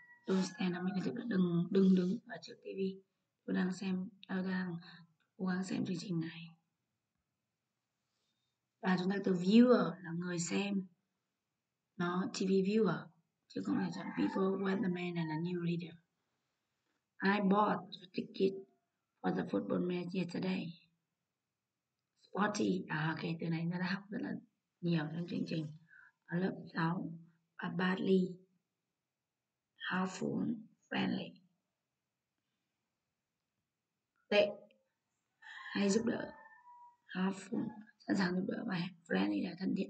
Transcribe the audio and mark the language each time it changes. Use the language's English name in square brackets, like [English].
[English] Don't stand, [Vietnamese] mình là đừng đứng ở trước TV. Tôi đang xem, tôi đang cố gắng xem chương trình này. Và chúng ta từ viewer là người xem. Nó TV viewer. Chứ không phải chọn people, weatherman and a new reader. [English] I bought the ticket for the football match yesterday. Sporty. [Vietnamese] À, ok, từ này chúng ta đã học rất là nhiều trong chương trình. Ở lớp 6, và badly. Helpful, friendly, tệ, hay giúp đỡ, helpful, sẵn sàng giúp đỡ và friendly là thân thiện.